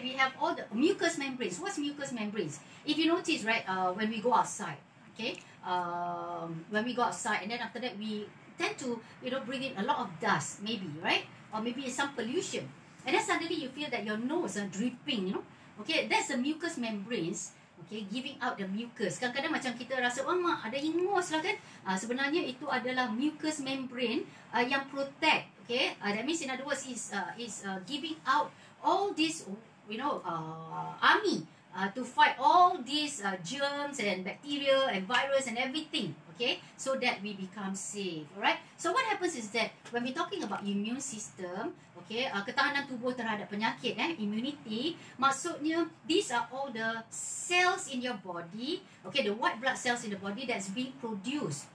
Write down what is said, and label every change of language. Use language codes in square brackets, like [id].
[en] We have all the mucous membranes. What's mucous membranes? If you notice, right, when we go outside, okay? When we go outside and then after that, we tend to, you know, breathe in a lot of dust, maybe, right? Or maybe some pollution. And then suddenly you feel that your nose are dripping, you know? Okay, that's the mucous membranes, okay, giving out the mucus. [ms] Kadang-kadang macam kita rasa, oh, mak, ada ingus lah kan? Sebenarnya itu adalah mucous membrane yang protect, okay? [en] That means in other words, is giving out all this, you know, army to fight all these germs and bacteria and virus and everything, okay, so that we become safe, alright? So what happens is that when we're talking about immune system, okay, [ms] ketahanan tubuh terhadap penyakit, [en] immunity, maksudnya these are all the cells in your body, okay, the white blood cells in the body that's being produced.